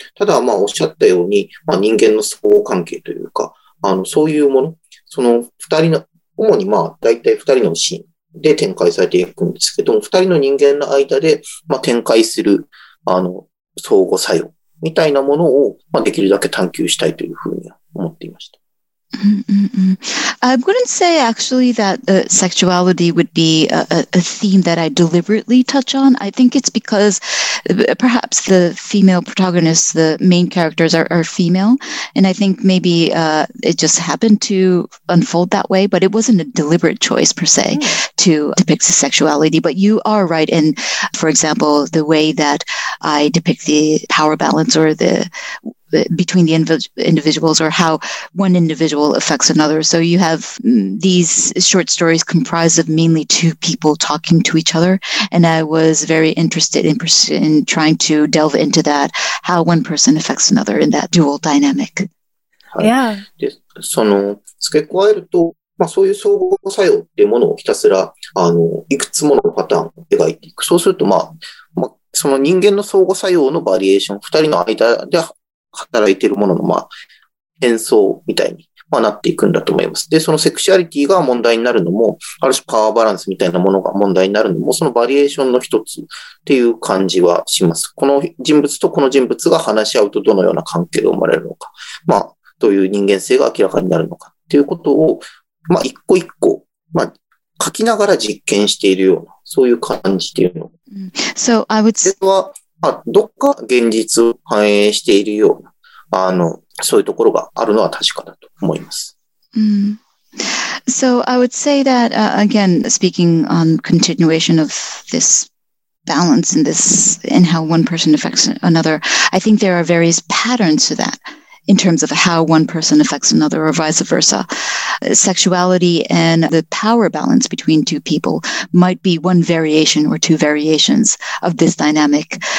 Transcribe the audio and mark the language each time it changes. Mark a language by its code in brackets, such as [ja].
[ja] ただ、まあ、おっしゃったように、まあ、人間の相互関係というか、そういうもの、その二人の、主にまあ、大体二人のシーンで展開されていくんですけども、二人の人間の間で、まあ、展開する、相互作用みたいなものを、まあ、できるだけ探求したいというふうには思っていました。 [en] I wouldn't say actually that sexuality would be a theme that I deliberately touch on. I think it's because perhaps the female protagonists, the main characters are female. And I think maybe it just happened to unfold that way, but it wasn't a deliberate choice per se to depict the sexuality. But you are right in, for example, the way that I depict the power balance or the between the individuals or how one individual affects another. So you have these short stories comprised of mainly two people talking to each other. And I was very interested in trying to delve into that, how one person affects another in that dual dynamic. Yeah. [ja] その付け加えると、まあ、そういう相互作用っていうものをひたすらいくつものパターンを描いていく。そうすると、その人間の相互作用のバリエーション、二人の間で働いているものの、まあ、変装みたいに、まあ、なっていくんだと思います。で、そのセクシュアリティが問題になるのも、ある種パワーバランスみたいなものが問題になるのも、そのバリエーションの一つっていう感じはします。この人物とこの人物が話し合うとどのような関係が生まれるのか、まあ、どういう人間性が明らかになるのかっていうことを、まあ、一個一個、まあ、書きながら実験しているような、そういう感じっていうの。 [en] So, I would say, [ja] まあ、どっか現実を反映しているような、そういうところがあるのは確かだと思います。 [en] So I would say that, again, speaking on continuation of this balance and how one person affects another, I think there are various patterns to that. in terms of how one person affects another or vice versa. Sexuality and the power balance between two people might be one variation or two variations of this dynamic.